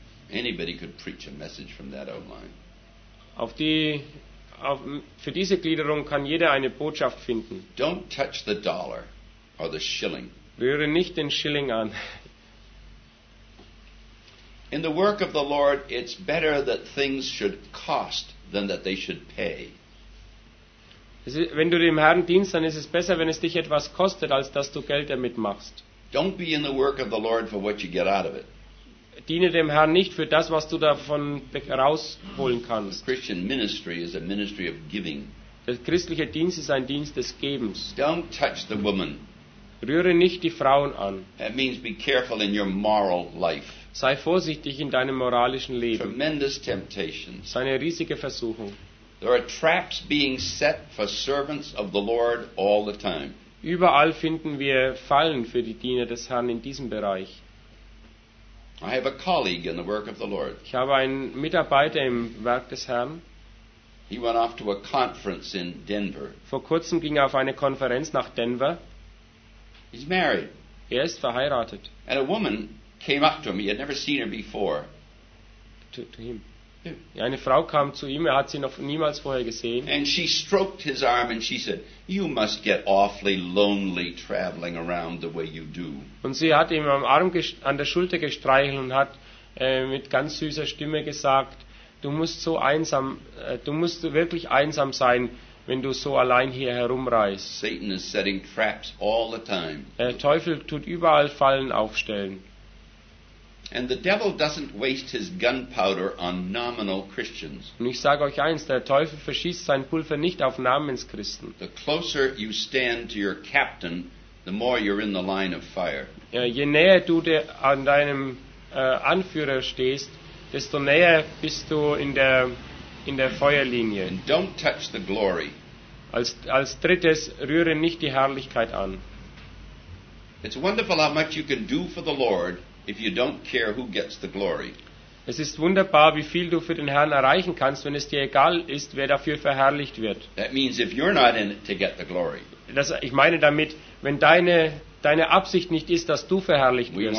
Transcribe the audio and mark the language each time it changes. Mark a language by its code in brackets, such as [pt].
[en] Anybody could preach a message from that outline. [de] Für diese Gliederung kann jeder eine Botschaft finden. [en] Don't touch the dollar or the shilling. [de] Rühre nicht den Schilling an. [en] In the work of the Lord, it's better that things should cost than that they should pay. [de] Wenn du dem Herrn dienst, dann ist es besser, wenn es dich etwas kostet, als dass du Geld damit machst. [en] Don't be in the work of the Lord for what you get out of it. [de] Diene dem Herrn nicht für das, was du davon rausholen kannst. [en] The Christian ministry is a ministry of giving. [de] Der christliche Dienst ist ein Dienst des Gebens. [en] Don't touch the woman. [de] Rühre nicht die Frauen an. [en] That means be careful in your moral life. [de] Sei vorsichtig in deinem moralischen Leben. [en] Tremendous temptations. [de] Seine riesige Versuchung. [en] There are traps being set for servants of the Lord all the time. [de] Überall finden wir Fallen für die Diener des Herrn in diesem Bereich. [en] I have a colleague in the work of the Lord. [de] Ich habe einen Mitarbeiter im Werk des Herrn. [en] He went off to a conference in Denver. [de] Vor kurzem ging auf eine Konferenz nach Denver. [en] He's married. [de] Er ist verheiratet. [en] And a woman came up to him. He had never seen her before. To him. Yeah. [de] Eine Frau kam zu ihm. Er hat sie noch niemals vorher gesehen. [en] And she stroked his arm and she said, "You must get awfully lonely traveling around the way you do." [de] Und sie hat ihm am Arm an der Schulter gestreichelt und hat mit ganz süßer Stimme gesagt, du musst wirklich einsam sein. Wenn du so allein hier herumreist. [en] Satan is setting traps all the time. [de] Der Teufel tut überall Fallen aufstellen. [en] And the devil doesn't waste his gunpowder on nominal Christians. [de] Und ich sage euch eins, der Teufel verschießt sein Pulver nicht auf Namenschristen. [en] The closer you stand to your captain, the more you're in the line of fire. [de] Je näher du an deinem Anführer stehst, desto näher bist du in der Feuerlinie. [en] And don't touch the glory. [de] Als drittes, rühre nicht die Herrlichkeit an. [en] It's wonderful how much you can do for the Lord if you don't care who gets the glory. [de] Es ist wunderbar, wie viel du für den Herrn erreichen kannst, wenn es dir egal ist, wer dafür verherrlicht wird. [en] That means if you're not in it to get the glory. [de] Ich meine damit, wenn deine Absicht nicht ist, dass du verherrlicht wirst.